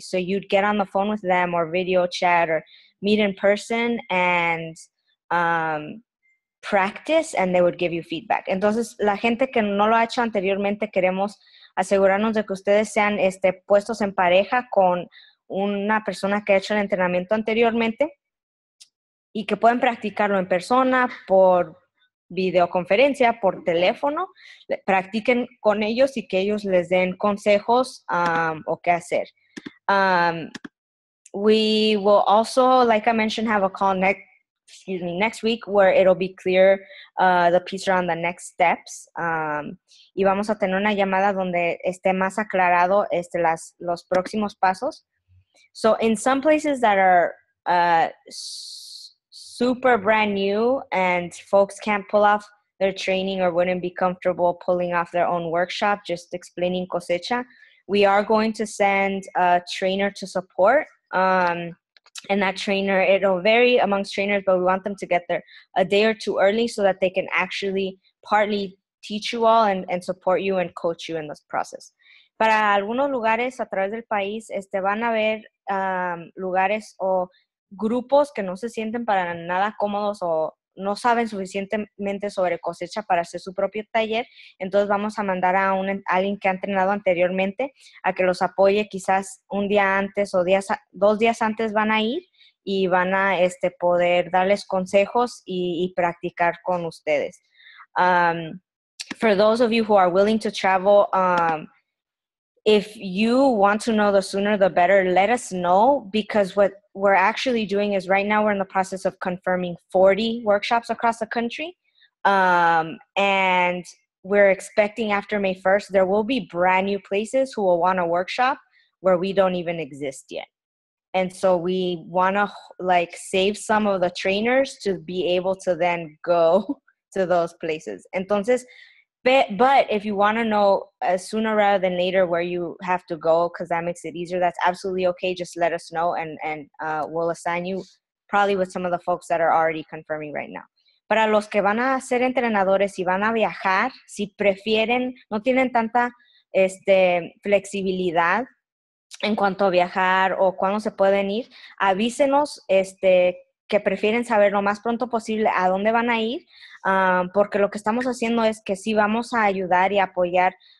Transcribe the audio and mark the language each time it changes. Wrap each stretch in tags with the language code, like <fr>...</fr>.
<en>So you'd get on the phone with them or video chat or meet in person and practice and they would give you feedback.</en> <es>Entonces, la gente que no lo ha hecho anteriormente, queremos asegurarnos de que ustedes sean puestos en pareja con una persona que ha hecho el entrenamiento anteriormente y que pueden practicarlo en persona, por videoconferencia, por teléfono, practiquen con ellos y que ellos les den consejos o qué hacer.</es> <en>We will also, like I mentioned, have a call next week where it'll be clear the piece around the next steps.</en> <es>Y vamos a tener una llamada donde esté más aclarado los próximos pasos.</es> <en>So in some places that are super brand new and folks can't pull off their training or wouldn't be comfortable pulling off their own workshop, just explaining cosecha, we are going to send a trainer to support. And that trainer, it'll vary amongst trainers, but we want them to get there a day or two early so that they can actually partly teach you all and support you and coach you in this process.</en> <es>Para algunos lugares a través del país, van a haber lugares o grupos que no se sienten para nada cómodos o no saben suficientemente sobre cosecha para hacer su propio taller. Entonces vamos a mandar a alguien que ha entrenado anteriormente a que los apoye quizás un día antes o dos días antes van a ir y van a poder darles consejos y practicar con ustedes.</es> <en>For those of you who are willing to travel, if you want to know the sooner the better, let us know, because what we're actually doing is right now we're in the process of confirming 40 workshops across the country. And we're expecting after May 1st, there will be brand new places who will want a workshop where we don't even exist yet. And so we want to save some of the trainers to be able to then go to those places.</en> <es>Entonces,</es> <en>but if you want to know sooner rather than later where you have to go, because that makes it easier, that's absolutely okay. Just let us know and we'll assign you probably with some of the folks that are already confirming right now.</en> <es>Para los que van a ser entrenadores y van a viajar, si prefieren, no tienen tanta flexibilidad en cuanto a viajar o cuándo se pueden ir, avísenos que prefieren saber lo más pronto posible a dónde van a ir, porque lo que estamos haciendo es que sí vamos a ayudar y apoyar.</es>